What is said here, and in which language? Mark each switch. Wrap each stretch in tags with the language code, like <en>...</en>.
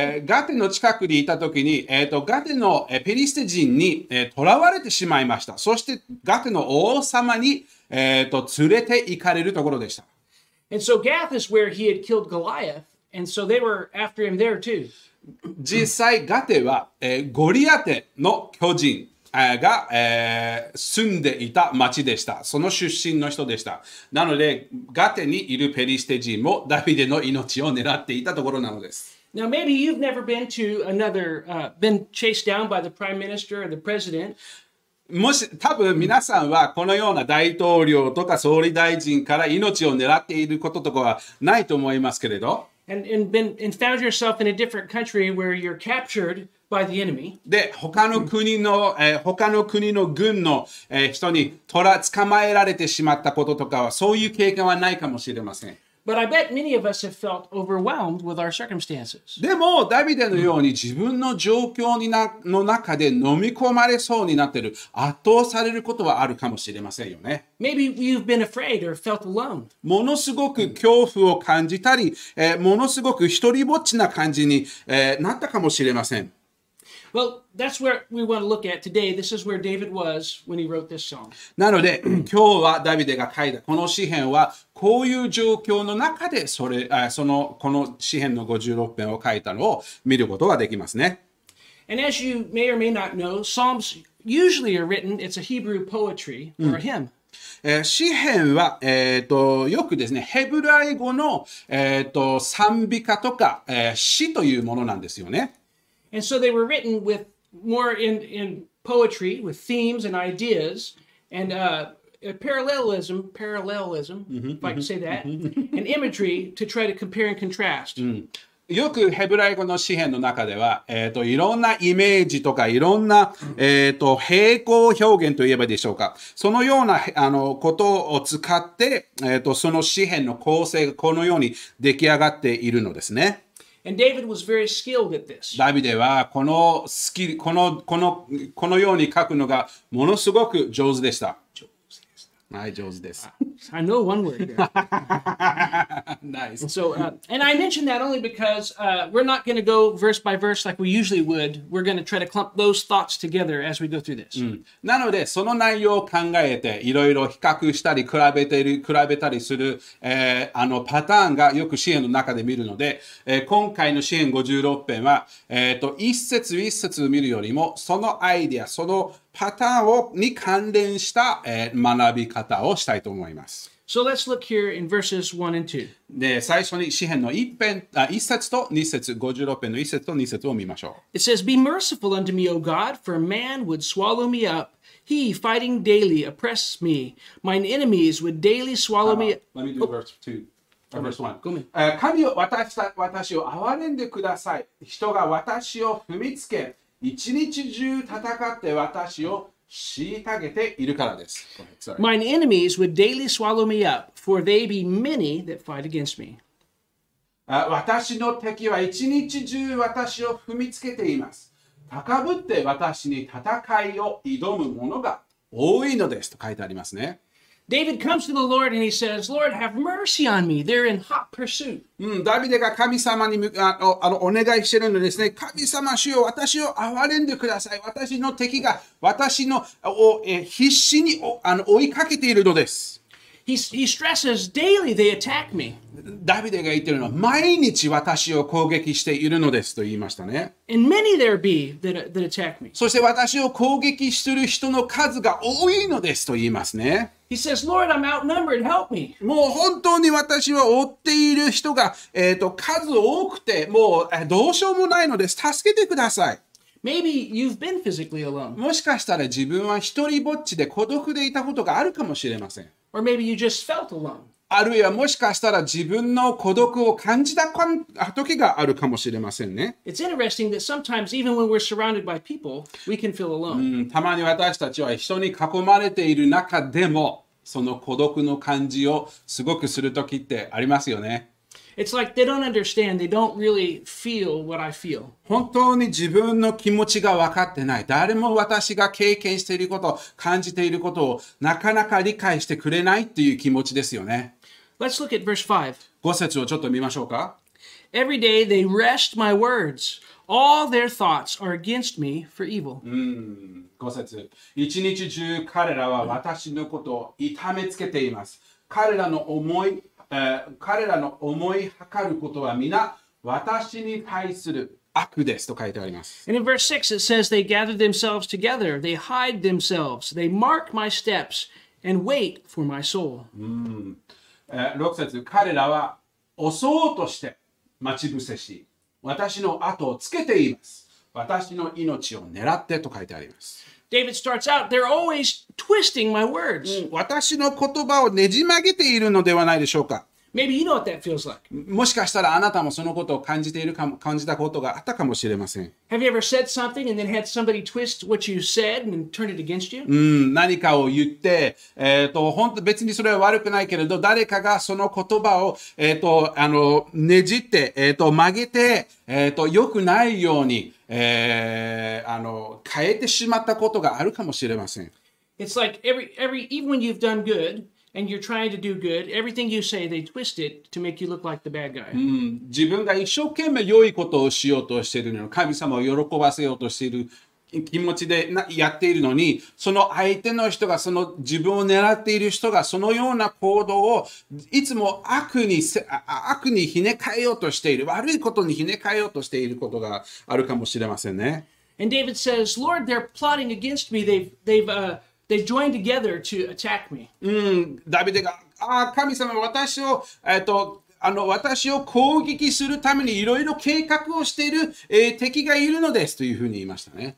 <ja>ガテの近くにいたときに、ガテの、ペリシテ人に、囚われてしまいました。そしてガテの王様に、連れて行かれるところでした。</ja> <en>And so Gath is where he had killed Goliath, and so they were after him there too.</en> <ja>実際ガテは、ゴリアテの巨人が、住んでいた町でした。その出身の人でした。なので、ガテにいるペリシテ人もダビデの命を狙っていたところなのです。</ja> <en>Now, maybe you've never been to another, been chased down by the prime minister or the president.</en> <ja>もし、多分皆さんはこのような大統領とか総理大臣から命を狙っていることとかはないと思いますけれど。</ja> <en>And found yourself in a different country where you're captured. By the enemy.</en> <ja>で、他の国の軍の、人に捕まえられてしまったこととかは、そういう経験はないかもしれません。</ja> <en>But I bet many of us have felt overwhelmed with our circumstances.</en> <ja>でも、ダビデのように自分の状況にの中で飲み込まれそうになっている、圧倒されることはあるかもしれませんよね。</ja> <en>Maybe you've been afraid or felt alone.</en> <ja>ものすごく恐怖を感じたり、ものすごく一人ぼっちな感じに、なったかもしれません。</ja> <en>Well, that's where we want to look at today. This is where David was when he wrote this song.</en> <ja>なので、今日はダビデが書いたこの詩編は、こういう状況の中で、この詩編の56編を書いたのを見ることができますね。</ja> <en>And as you may or may not know, Psalms usually are written, it's a Hebrew poetry or a hymn.</en> <ja>詩編は、よくですね、ヘブライ語の、賛美歌とか、詩というものなんですよね。</ja> <en>And so they were written with more in poetry, with themes and ideas, and parallelism, if I can say that, and imagery to try to compare and contrast.</en> <ja>よくヘブライ語の詩編の中では、いろんなイメージとかいろんな、平行表現といえばでしょうか。そのようなことを使って、その詩編の構成がこのように出来上がっているのですね。</ja> <en>And David was very skilled at this.</en> <ja>ダビデはこのように書くのがものすごく上手でした。上手です。はい、上手です。</ja> <en>I know one word there. Nice. So, and I mentioned that only because we're not going to go verse by verse like we usually would. We're going to try to clump those thoughts together as we go through this.、</en> <ja>なので、その内容を考えて、いろいろ比較したり、比べたりする、パターンがよく詩編の中で見るので、今回の詩編56編は、一節一節を見るよりも、そのアイデア、そのパターンに関連した、学び方をしたいと思います。</ja> <en>So let's look here in verses 1 and 2.</en> <ja>で、最初に詩編の一節と二節、56編の一節と二節を見ましょう。</ja> <en>It says, Be merciful unto me, O God, for man would swallow me up. He, fighting daily, oppresses me. Mine enemies would daily swallow me. Let me do verse 2. Verse 1.</en> <ja>神よ、私を憐れんでください。人が私を踏みつけ。一日中戦って私を虐げているからです。</ja> <en>Mine enemies would daily swallow me up, for they be many that fight against me.</en> <ja>私の敵は一日中私を踏みつけています。高ぶって私に戦いを挑む者が多いのですと書いてありますね。</ja> <en>David comes to the Lord and he says, Lord, have mercy on me. They're in hot pursuit.</en> <ja>ダビデが神様にお願いしているのですね。神様主よ、私を憐れんでください。私の敵が私のを必死に追いかけているのです。</ja> <en>He stresses daily they attack me.</en> <ja>ダビデが言っているのは、毎日私を攻撃しているのですと言いましたね。</ja> <en>And many there be that attack me.</en> <ja>そして私を攻撃する人の数が多いのですと言いますね。</ja> <en>He says, Lord, I'm outnumbered, help me.</en> <ja>もう本当に私は追っている人が、数多くて、もうどうしようもないのです。助けてください。</ja> <en>Maybe you've been physically alone.</en> <ja>もしかしたら自分は一人ぼっちで孤独でいたことがあるかもしれません。</ja> <en>Or maybe you just felt alone.</en> <ja>あるいはもしかしたら自分の孤独を感じた時があるかもしれませんね。</ja> <en>It's interesting that sometimes even when we're surrounded by people, we can feel alone.</en> <ja>たまに私たちは人に囲まれている中でも、その孤独の感じをすごくする時ってありますよね。</ja> <en>It's like they don't understand. They don't really feel what I feel.</en> <ja>本当に自分の気持ちが分かってない。誰も私が経験していること、感じていることをなかなか理解してくれないっていう気持ちですよね。</ja> <en>Let's look at verse 5.</en> <ja>5節をちょっと見ましょうか。</ja> <en>Every day they wrest my words. All their thoughts are against me for evil.</en> <ja>5節。一日中彼らは私のことを痛めつけています。彼らの思い計ることは皆私に対する悪ですと書いてあります。</ja> <en>And in verse 6 it says they gather themselves together, they hide themselves, they mark my steps and wait for my soul.</en> <ja>6節、彼らは押そうとして待ち伏せし、私の後をつけています。私の命を狙ってと書いてあります。</ja> <en>David starts out, they're always twisting my words.</en> <ja>私の言葉をねじ曲げているのではないでしょうか。</ja> <en>Maybe you know what that feels like.</en> <ja>もしかしたらあなたもそのことを感じているかも、感じたことがあったかもしれません。</ja> <en>Have you ever said something and then had somebody twist what you said and turn it against you?</en> <ja>何かを言って、本当別にそれは悪くないけれど、誰かがその言葉を、ねじって、曲げて、良くないように、変えてしまったことがあるかもしれません。</ja> <en>It's like every even when you've done good. And you're trying to do good. Everything you say, they twist it to make you look like the bad guy.</en> <ja>自分が一生懸命良いことをしようとしているの、神様を喜ばせようとしている気持ちでやっているのに、その相手の人が、その自分を狙っている人が、そのような行動をいつも悪にひね返ようとしている、悪いことにひね返ようとしていることがあるかもしれませんね。</ja> <en>And David says, Lord, they're plotting against me. They joined together to attack me.</en> <ja>ダビデが、神様、私を攻撃するためにいろいろ計画をしている、敵がいるのですというふうに言いましたね。</ja>